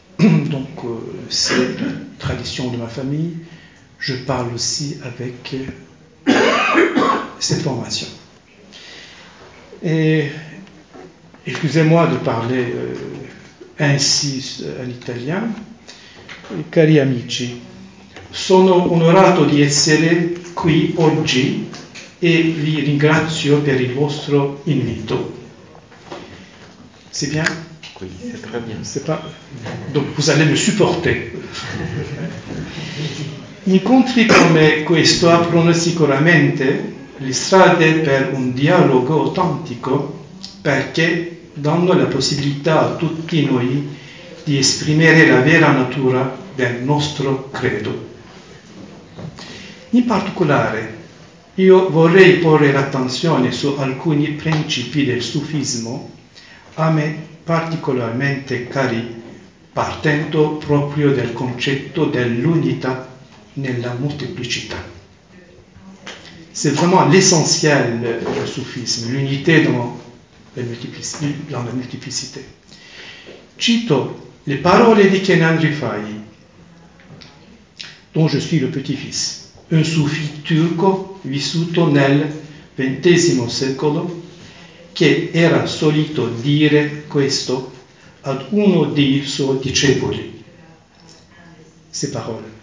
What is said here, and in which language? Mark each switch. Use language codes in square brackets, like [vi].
[fr] Donc c'est la tradition de ma famille. Je parle aussi avec cette formation. Et excusez-moi de parler ainsi en italien. [it] Cari amici, sono onorato di essere qui oggi e vi ringrazio per il vostro invito. [fr] C'est bien? Oui, c'est très bien. C'est pas... Donc vous allez me supporter. [it] Incontri come questo aprono sicuramente le strade per un dialogo autentico perché danno la possibilità a tutti noi di esprimere la vera natura del nostro credo. In particolare, io vorrei porre l'attenzione su alcuni principi del sufismo a me particolarmente cari, partendo proprio dal concetto dell'unità nella molteplicità. [fr] C'est vraiment l'essentiel du soufisme, l'unité dans la multiplicité. [it] Cito le parole di Kenan Rifai, [fr] dont je suis le petit-fils, [it] un soufi turco vissuto nel XX secolo, che era solito dire questo ad uno dei suoi discepoli. [fr] Ces paroles.